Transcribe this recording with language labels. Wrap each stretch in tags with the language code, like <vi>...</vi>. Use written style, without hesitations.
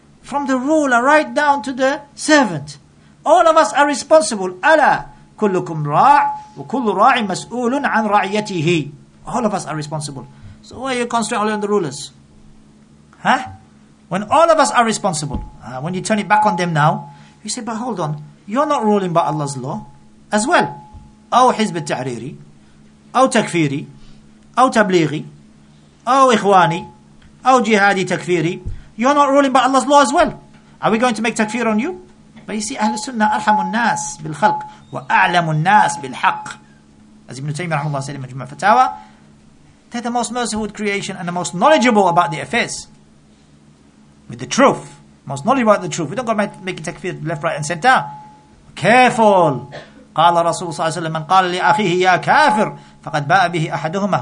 <en>From the ruler right down to the servant. All of us are responsible.</en> <ar>Allah, كلكم راع وكل راع مسؤول عن رعيته.</ar> <en>All of us are responsible. So why are you concentrating only on the rulers? Huh? When all of us are responsible, when you turn it back on them now, you say, but hold on, you're not ruling by Allah's law as well.</en> <ar>أو حزب التحريري أو تكفيري أو تبليغي أو إخواني أو جهادي تكفيري.</ar> <en>You're not ruling by Allah's law as well. Are we going to make takfir on you? But you see,</en> <ar>أهل السنة أرحم الناس بالخلق وأعلم الناس بالحق.</ar> <en>As Ibn Taymiyyah rahimahullah said in Majmu' al-Fatawa, they're the most merciful with creation and the most knowledgeable about the affairs. With the truth. Most knowledgeable about the truth. We don't go making takfir left, right, and center. Careful.</en> <ar>قَالَ رَسُولُ صَلَّى اللَّهُ عَلَيْهِ مَنْ قَالَ لِأَخِهِ يَا كَافِرُ فَقَدْ بَاءَ بِهِ أَحَدُهُمَا.</ar>